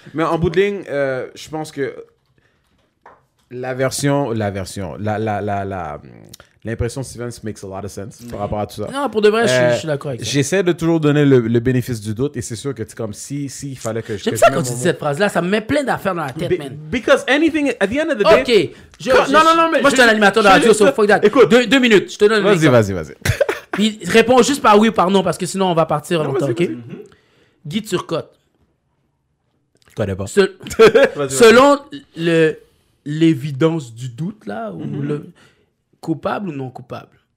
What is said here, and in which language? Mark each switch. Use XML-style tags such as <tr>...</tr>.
<fr>Mais en bout de ligne, je pense que la version, l'impression de Stevens</fr> <en>makes a lot of sense</en> <fr>par rapport à tout ça. Non, pour de vrai, je suis d'accord avec ça. J'essaie de toujours donner le bénéfice du doute et c'est sûr que tu comme si il fallait que j'aime ça quand tu dis cette phrase-là, ça me met plein d'affaires dans la tête, man.</fr> <en>Because anything, at the end of the day...</en> <fr>OK. Moi, je suis un animateur de radio,</fr> <en>so fuck that.</en> <fr>Écoute. Deux minutes, je te donne l'exemple. Vas-y. Puis réponds juste par oui ou par non parce que sinon, on va partir en longtemps, OK? Guy Turcotte. Je connais pas. Selon l'évidence du doute, là, ou le... Coupable ou non coupable?</fr>